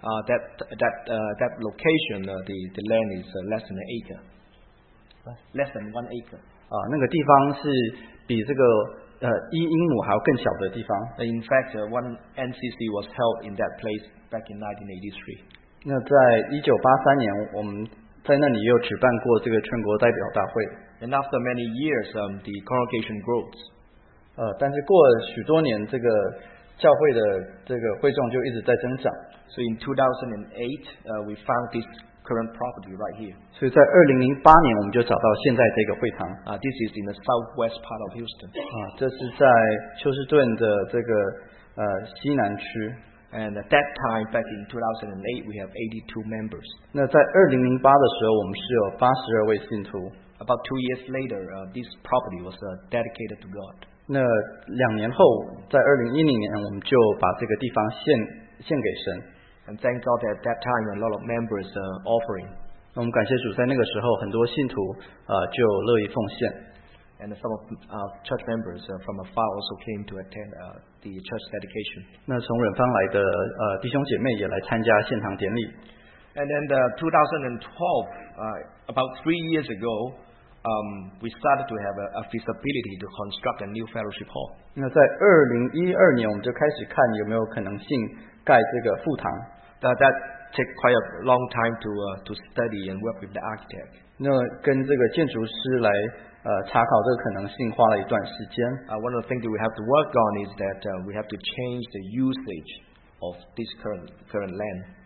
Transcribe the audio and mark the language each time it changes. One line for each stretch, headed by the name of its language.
English: That location, the land is less than an acre. Less than 1 acre.
Chinese: 那个地方是比这个 1英亩还要更小的地方。
English: In fact, one NCC was held in that place back in 1983.
Chinese: 那在1983年, 我们在那里又举办过这个全国代表大会。
English: And after many years, the congregation grows.
Chinese: 但是过了许多年, 这个教会的这个会众就一直在增长。
English: So in 2008, we found this current property right here.
Chinese: 所以在2008年 我们就找到现在这个会堂。
English: This is in the southwest part of Houston.
Chinese: 这是在休斯顿的这个 西南区。
English: And at that time, back in 2008, we have 82 members.
Chinese: 那在2008的时候 我们是有82位信徒。
English: About 2 years later, this property was dedicated to God.
Chinese: 那两年后 在2010年 我们就把这个地方献给神。
English: And thank God that at that time a lot of members are offering.
Chinese: 我们感谢主在那个时候很多信徒 就乐意奉献。
English: And some of our church members from afar also came to attend the church dedication.
Chinese: 那从远方来的 弟兄姐妹也来参加献堂典礼。
English: And then 2012, about 3 years ago, we started to have a feasibility to construct a new fellowship hall.
Chinese: 那在2012年 我们就开始看有没有可能性盖这个副堂。
English: That take quite a long time to study and work with the architect.
Chinese: 那跟这个建筑师来 查考这个可能性花了一段时间。
English: One of the things that we have to work on is that we have to change the usage of this current land.